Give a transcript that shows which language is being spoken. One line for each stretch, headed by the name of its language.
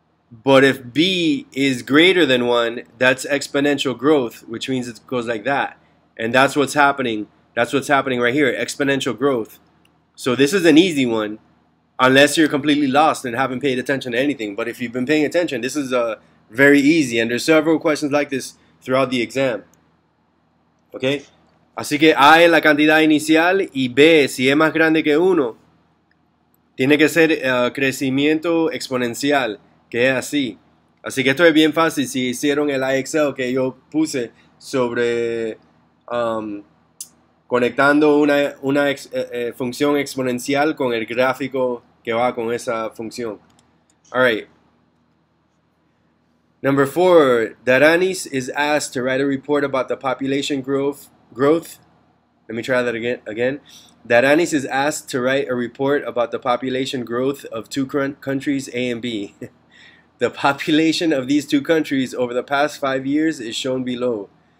English: But if b is greater than 1, that's exponential growth, which means it goes like that. And that's what's happening. That's what's happening right here, exponential growth. So this is an easy one, unless you're completely lost and haven't paid attention to anything. But if you've been paying attention, this is very easy. And there's several questions like this throughout the exam. Okay?
Spanish: Así que A es la cantidad inicial y B, si es más grande que 1, tiene que ser crecimiento exponencial, que es así. Así que esto es bien fácil. Si hicieron el IXL que yo puse sobre... conectando una función exponencial con el gráfico que va con esa función.
English: All right. Number 4, Daranis is asked to write a report about the population growth. Let me try that again. Daranis is asked to write a report about the population growth of two countries A and B. The population of these two countries over the past 5 years is shown below.